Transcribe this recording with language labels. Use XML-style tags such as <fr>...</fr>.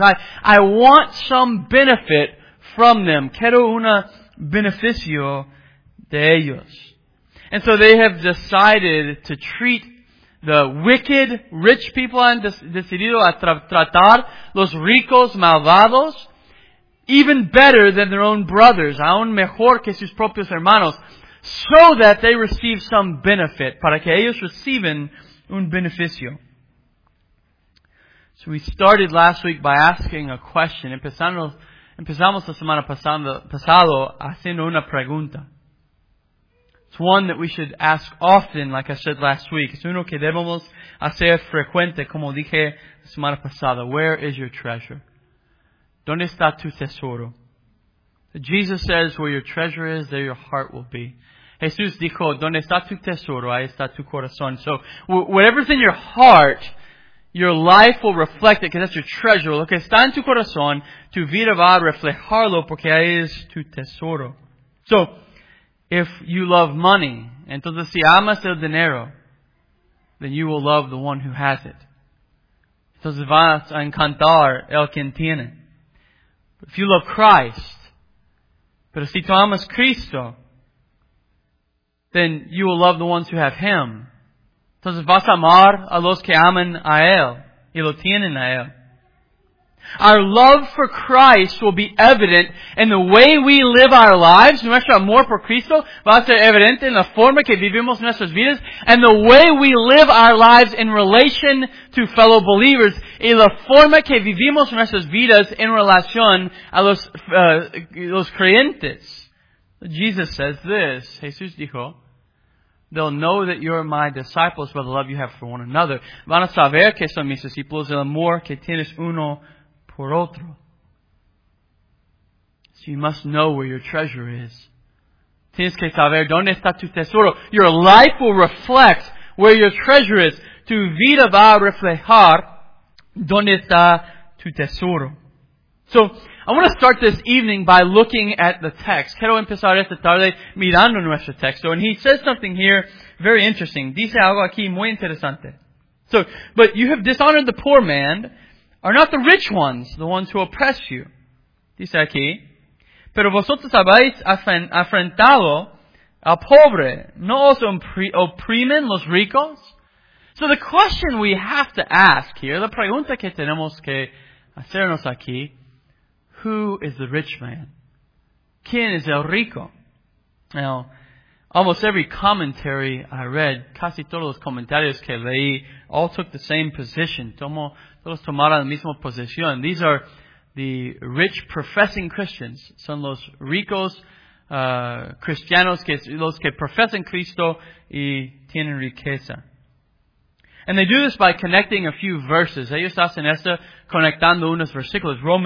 <en>I want some benefit from them.</en> <es>Quiero una beneficio de ellos.</es> <en>And so they have decided to treat the wicked rich people.</en> <es>Han decidido a tratar los ricos malvados</es> <en>even better than their own brothers,</en> <es>aún mejor que sus propios hermanos,</es> <en>so that they receive some benefit,</en> <es>para que ellos reciban un beneficio.</es> <en>So we started last week by asking a question.</en> <es>Empezamos la semana pasada haciendo una pregunta.</es> <en>It's one that we should ask often, like I said last week.</en> <es>Es uno que debemos hacer frecuente, como dije la semana pasada.</es> <en>Where is your treasure?</en> <es>¿Dónde está tu tesoro?</es> <en>Jesus says, where your treasure is, there your heart will be.</en> <es>Jesús dijo, ¿dónde está tu tesoro? Ahí está tu corazón.</es> <en>So, whatever's in your heart, your life will reflect it, because that's your treasure.</en> <es>Lo que está en tu corazón, tu vida va a reflejarlo, porque ahí es tu tesoro.</es> <en>So, if you love money,</en> <es>entonces si amas el dinero,</es> <en>then you will love the one who has it.</en> <es>Entonces vas a encantar el quien tiene.</es> <en>If you love Christ,</en> <es>pero si tú amas Cristo,</es> <en>then you will love the ones who have Him.</en> <es>Entonces vas a amar a los que aman a Él y lo tienen a Él.</es> <en>Our love for Christ will be evident in the way we live our lives.</en> <es>Nuestro amor por Cristo va a ser evidente en la forma que vivimos nuestras vidas</es> <en>and the way we live our lives in relation to fellow believers</en> <es>y la forma que vivimos nuestras vidas en relación a los creyentes.</es> <en>Jesus says this,</en> <es>Jesús dijo,</es> <en>they'll know that you're my disciples by the love you have for one another.</en> <es>Van a saber que son mis discípulos el amor que tienes uno por otro.</es> <en>So you must know where your treasure is.</en> <es>Tienes que saber dónde está tu tesoro.</es> <en>Your life will reflect where your treasure is.</en> <es>Tu vida va a reflejar dónde está tu tesoro.</es> <en>So, I want to start this evening by looking at the text.</en> <es>Quiero empezar esta tarde mirando nuestro texto.</es> <en>And he says something here very interesting.</en> <es>Dice algo aquí muy interesante.</es> <en>So, but you have dishonored the poor man. Are not the rich ones the ones who oppress you?</en> <es>Dice aquí, pero vosotros habéis afrentado al pobre. ¿No os oprimen los ricos?</es> <en>So the question we have to ask here,</en> <es>la pregunta que tenemos que hacernos aquí,</es> <en>who is the rich man?</en> <es>¿Quién es el rico?</es> <en>Now, almost every commentary I read,</en> <es>casi todos los comentarios que leí,</es> <en>all took the same position.</en> <es>Todos tomaron la misma posición.</es> <en>These are the rich professing Christians.</en> <es>Son los ricos cristianos, los que profesan Cristo y tienen riqueza.</es> <en>And they do this by connecting a few verses.</en> <es>Ellos hacen esto conectando unos versículos.</es>